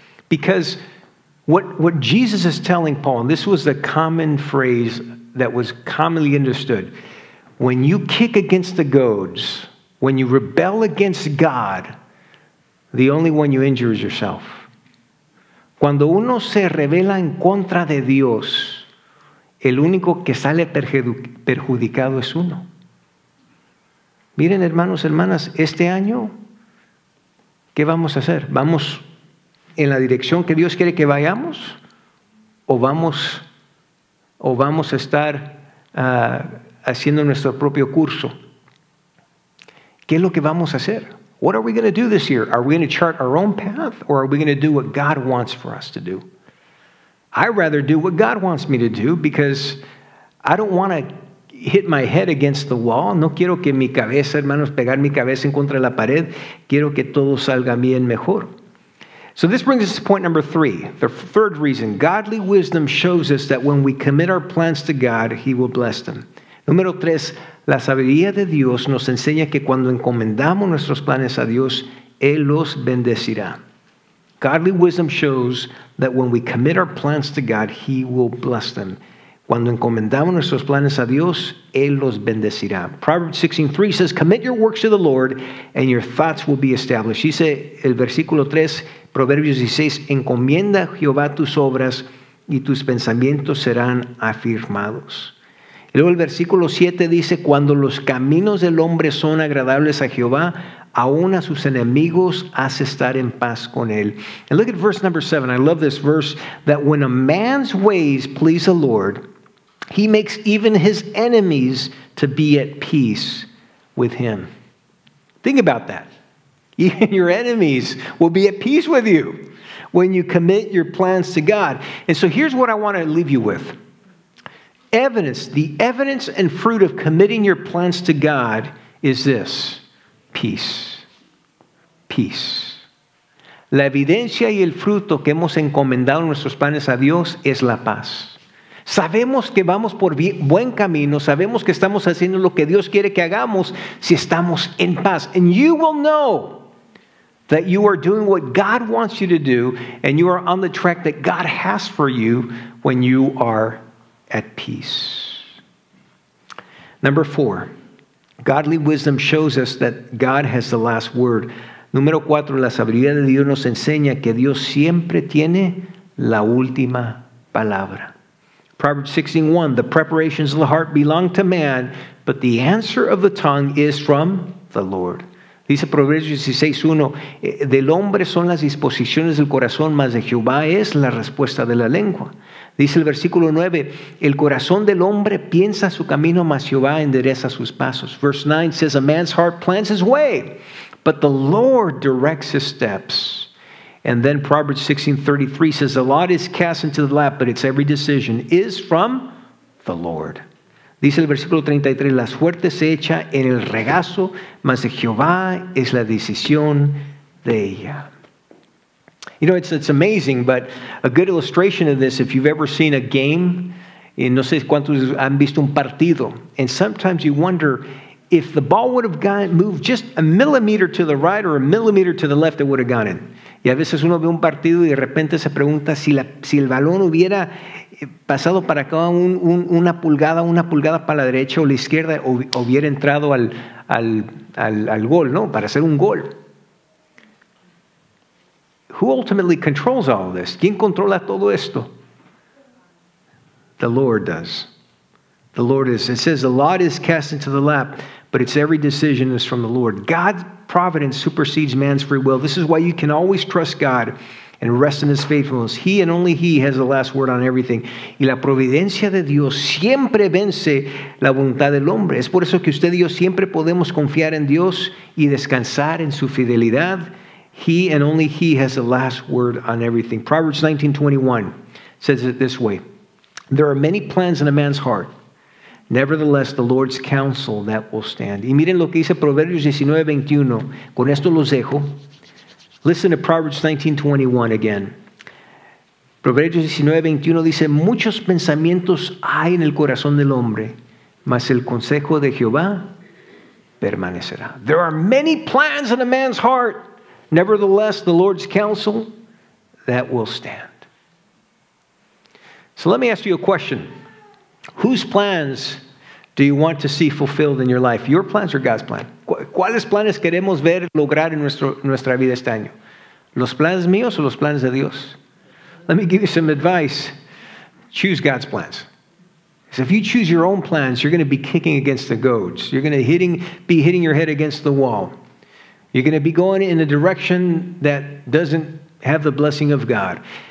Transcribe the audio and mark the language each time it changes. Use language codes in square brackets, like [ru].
[en] Because what Jesus is telling Paul, and this was the common phrase that was commonly understood, when you kick against the goads, when you rebel against God, the only one you injure is yourself. [es] Cuando uno se rebela en contra de Dios, el único que sale perjudicado es uno. Miren, hermanos, hermanas, este año, ¿qué vamos a hacer? ¿Vamos en la dirección que Dios quiere que vayamos? ¿O vamos a estar haciendo nuestro propio curso? ¿Qué es lo que vamos a hacer? [en] What are we going to do this year? Are we going to chart our own path? Or are we going to do what God wants for us to do? I'd rather do what God wants me to do because I don't want to hit my head against the wall. [es] No quiero que mi cabeza, hermanos, pegar mi cabeza en contra de la pared. Quiero que todo salga bien mejor. [en] So this brings us to point number three. The third reason. Godly wisdom shows us that when we commit our plans to God, He will bless them. [es] Número tres. La sabiduría de Dios nos enseña que cuando encomendamos nuestros planes a Dios, Él los bendecirá. [en] Godly wisdom shows that when we commit our plans to God, He will bless them. [es] Cuando encomendamos nuestros planes a Dios, Él los bendecirá. [en] Proverbs 16:3 says, commit your works to the Lord and your thoughts will be established. [es] Dice el versículo 3, Proverbios 16, encomienda Jehová tus obras y tus pensamientos serán afirmados. Y luego el versículo 7 dice, cuando los caminos del hombre son agradables a Jehová, aún a sus enemigos hace estar en paz con él. [en] And look at verse number 7. I love this verse. That when a man's ways please the Lord, he makes even his enemies to be at peace with him. Think about that. Even your enemies will be at peace with you when you commit your plans to God. And so here's what I want to leave you with. Evidence, the evidence and fruit of committing your plans to God is this. Peace. Peace. [es] La evidencia y el fruto que hemos encomendado nuestros planes a Dios es la paz. Sabemos que vamos por buen camino. Sabemos que estamos haciendo lo que Dios quiere que hagamos si estamos en paz. [en] And you will know that you are doing what God wants you to do and you are on the track that God has for you when you are at peace. Number four. Godly wisdom shows us that God has the last word. [es] Número cuatro, la sabiduría de Dios nos enseña que Dios siempre tiene la última palabra. [en] Proverbs 16:1, the preparations of the heart belong to man, but the answer of the tongue is from the Lord. [es] Dice Proverbios 16:1, del hombre son las disposiciones del corazón, mas de Jehová es la respuesta de la lengua. Dice el versículo 9, el corazón del hombre piensa su camino, mas Jehová endereza sus pasos. [en] Verse 9 says, a man's heart plans his way, but the Lord directs his steps. And then Proverbs 16:33 says, the lot is cast into the lap, but its every decision is from the Lord. [es] Dice el versículo 33, la suerte se echa en el regazo, mas de Jehová es la decisión de ella. [en] You know, it's amazing, but a good illustration of this, if you've ever seen a game, and [es] no sé cuántos han visto un partido, [en] and sometimes you wonder, if the ball would have moved just a millimeter to the right or a millimeter to the left, it would have gone in. [es] Y a veces uno ve un partido y de repente se pregunta si el balón hubiera pasado para acá una pulgada para la derecha o la izquierda, hubiera entrado al gol, ¿no? Para hacer un gol. [en] Who ultimately controls all of this? [es] ¿Quién controla todo esto? [en] The Lord does. The Lord is. It says the lot is cast into the lap, but its every decision is from the Lord. God's providence supersedes man's free will. This is why you can always trust God and rest in His faithfulness. He and only He has the last word on everything. [es] Y la providencia de Dios siempre vence la voluntad del hombre. Es por eso que usted y yo siempre podemos confiar en Dios y descansar en su fidelidad. [en] He and only He has the last word on everything. Proverbs 19:21 says it this way. There are many plans in a man's heart, Nevertheless, the Lord's counsel that will stand. [es] Y miren lo que dice Proverbios 19:21. Con esto los dejo. [en] Listen to Proverbs 19:21 again. [es] Proverbios 19:21 dice, muchos pensamientos hay en el corazón del hombre, mas el consejo de Jehová permanecerá. [en] There are many plans in a man's heart. Nevertheless, the Lord's counsel that will stand. So let me ask you a question. Whose plans do you want to see fulfilled in your life? Your plans or God's plan? [es] ¿Cuáles planes queremos ver lograr en nuestra vida este año? ¿Los planes míos o los planes de Dios? [en] Let me give you some advice. Choose God's plans. Because if you choose your own plans, you're going to be kicking against the goads. You're going to be hitting your head against the wall. You're going to be going in a direction that doesn't have the blessing of God.